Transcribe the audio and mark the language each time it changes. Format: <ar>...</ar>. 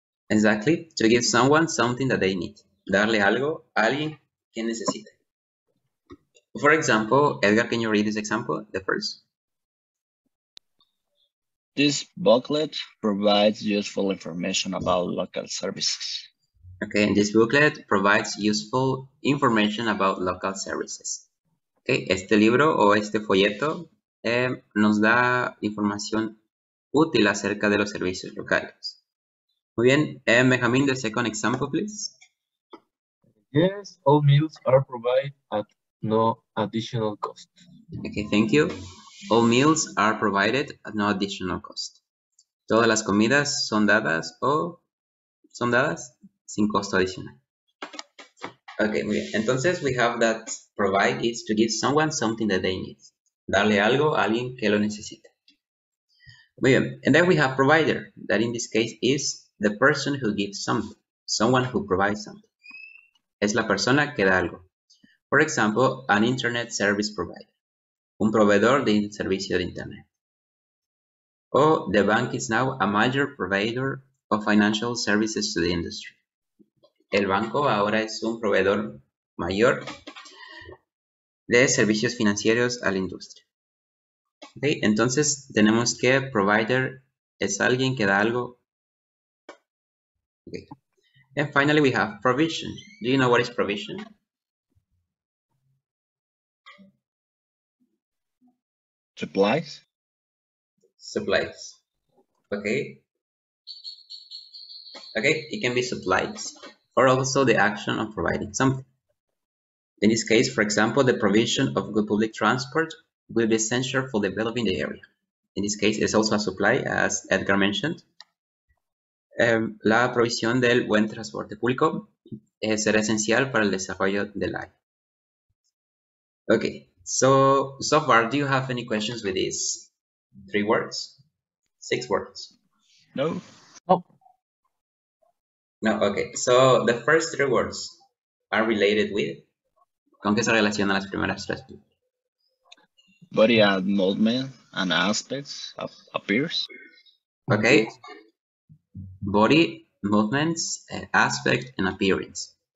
<en>Exactly, to give someone something that they need.</en> <es>Darle algo a alguien que necesite.</es> <en>For example, Edgar, can you read this example, the first? This booklet provides useful information about local services. Okay, and this booklet provides useful information about local services.</en> <es>Okay, este libro o este folleto nos da información útil acerca de los servicios locales. Muy bien,</es> <en>Benjamin, the second example, please. Yes, all meals are provided at no additional cost. Okay, thank you. All meals are provided at no additional cost.</en> <es>Todas las comidas son dadas o son dadas sin costo adicional. Okay, muy bien.</es> <en>Entonces, we have that provide is to give someone something that they need.</en> <es>Darle algo a alguien que lo necesite. Muy bien.</es> <en>And then we have provider. That in this case is the person who gives something. Someone who provides something.</en> <es>Es la persona que da algo.</es> <en>For example, an internet service provider.</en> <es>Un proveedor de servicio de internet.</es> <en>O the bank is now a major provider of financial services to the industry.</en> <es>El banco ahora es un proveedor mayor de servicios financieros a la industria. Okay, entonces tenemos que provider es alguien que da algo.</es> <en>Okay. And finally we have provision. Do you know what is provision? Supplies. Supplies. Okay, it can be supplies or also the action of providing something. In this case, for example, the provision of good public transport will be essential for developing the area. In this case, it's also a supply, as Edgar mentioned.</en> <es>La provisión del buen transporte público será esencial para el desarrollo del área.</es> <en>Okay, so far, do you have any questions with these three words? Six words? No. Oh. No, okay. So the first three words are related with?</en> <es>¿Con qué se relacionan las primeras tres?</es> <en>Body and movement and aspects of appears. Okay. Body, movements, aspect, and appearance.</en>